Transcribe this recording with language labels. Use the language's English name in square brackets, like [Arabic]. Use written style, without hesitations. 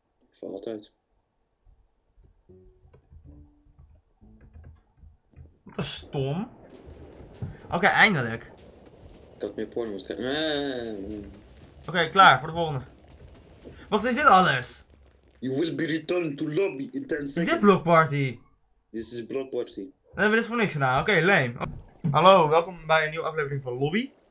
[Dutch] Voor altijd. Wat een stom. Oké, eindelijk. Ik had meer porno moeten krijgen. Oké, klaar voor de volgende. Wacht, is dit alles? [English] You will be returned to lobby in 10 seconds. [Dutch] Is dit Block Party? [English] This is Block Party. [Dutch] Dan hebben we dit voor niks gedaan, oké, lame. Hallo, welkom bij een nieuwe aflevering van Lobby.